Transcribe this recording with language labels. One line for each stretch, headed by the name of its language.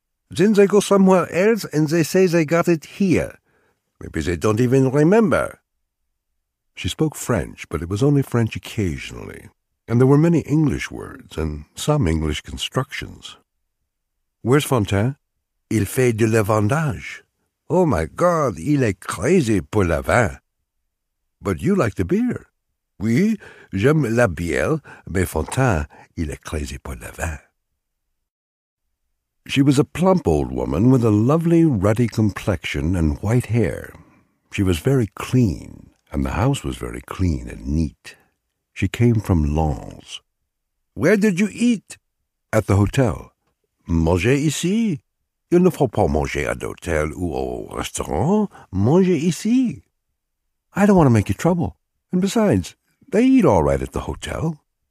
English: Then they go somewhere else and they say they got it here. Maybe they don't even remember." She spoke French, but it was only French occasionally, and there were many English words and some English constructions. "Where's Fontaine?"
French: "Il fait de la vendange."
English: "Oh my God,
French: il est crazy pour le vin."
English: "But you like the beer."
French: "Oui, j'aime la bière, mais Fontaine, il est crazy pour le vin."
English: She was a plump old woman with a lovely ruddy complexion and white hair. She was very clean, and the house was very clean and neat. She came from Lens. "Where did you eat?" "At the hotel."
French: "Manger ici? Il ne faut pas manger à l'hôtel ou au restaurant. Manger ici."
English: "I don't want to make you trouble. And besides, they eat all right at the hotel."